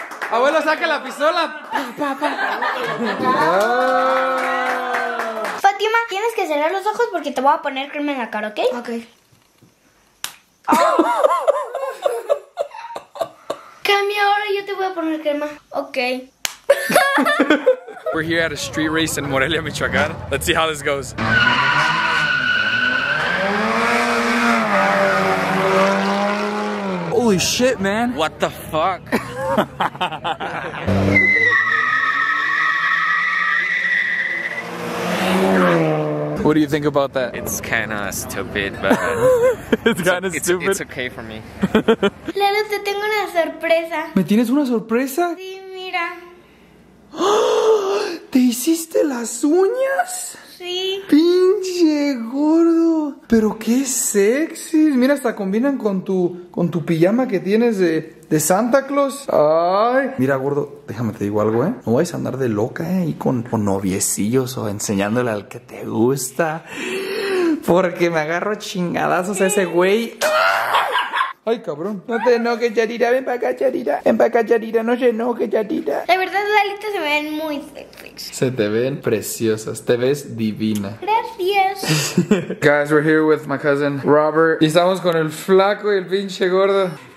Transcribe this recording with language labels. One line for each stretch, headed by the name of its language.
Spanish: Abuelo, saca la pistola. Fátima, tienes que cerrar los ojos porque te voy a poner crema en la cara, ¿ok? Ok. Cambia ahora y yo te voy a poner crema. Ok.
English: We're here at a street race in Morelia, Michoacán. Let's see how this goes. Holy shit, man. What the fuck? What do you think about that? It's kind of stupid, but it's kind of stupid. It's okay for me.
Spanish: Lalo, te tengo una sorpresa. ¿Me tienes una sorpresa? Sí, mira. ¿Te hiciste las uñas? Sí. Pinche gordo. Pero qué sexy. Mira, hasta combinan con tu pijama que tienes de Santa Claus. Ay. Mira, gordo, déjame te digo algo, ¿eh? No vais a andar de loca, ¿eh? Y con noviecillos o enseñándole al que te gusta. Porque me agarro chingadazos a ese güey. Ay, cabrón. No te enojes, Yarira. Ven para acá, Yarira. Ven para acá, Yarira. No se enojes, Yarira. La verdad, las alitas se me ven muy sexy. Se te ven preciosas. Te ves divina. Gracias.
English: Guys, we're here with my cousin, Robert.
Spanish: Y estamos con el flaco y el pinche gordo.